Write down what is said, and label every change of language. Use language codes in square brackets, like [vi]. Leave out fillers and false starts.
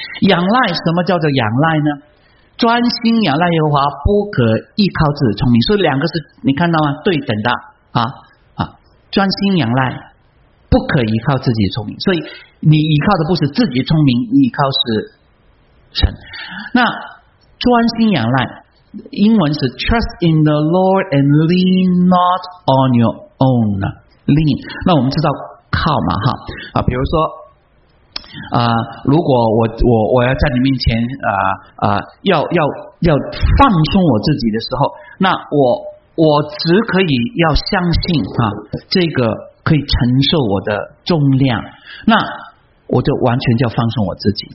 [zh] 仰赖，什么叫做仰赖呢？专心仰赖耶和华，不可依靠自己聪明。所以两个是你看到吗？对等的啊啊，专心仰赖，不可依靠自己聪明。所以你依靠的不是自己聪明，你依靠是神。那专心仰赖。英文是 [en] trust in the Lord and lean not on your own lean。 [zh] 那我们知道靠嘛哈啊，比如说如果我要在你面前要放松我自己的时候，那我只可以要相信啊，这个可以承受我的重量，那我就完全叫放松我自己。